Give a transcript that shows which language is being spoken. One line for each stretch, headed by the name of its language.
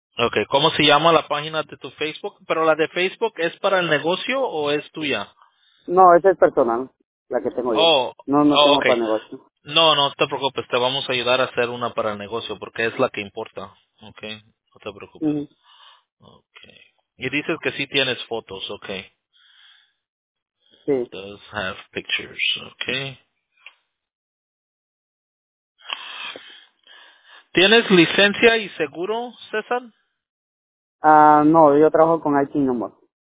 Spanish: Okay, ¿cómo se llama la página de tu Facebook? ¿Pero la de Facebook es para el negocio o es tuya? No, esa es personal, la que tengo yo. Oh, No, no tengo okay. para negocio. No, no te preocupes, te vamos a ayudar a hacer una para el negocio porque es la que importa, okay, no te preocupes, okay. Y dices que sí tienes fotos, okay. Sí.
English: Does have pictures, okay.
Spanish: ¿Tienes licencia y seguro, César? Ah, no, yo trabajo con IT nomás.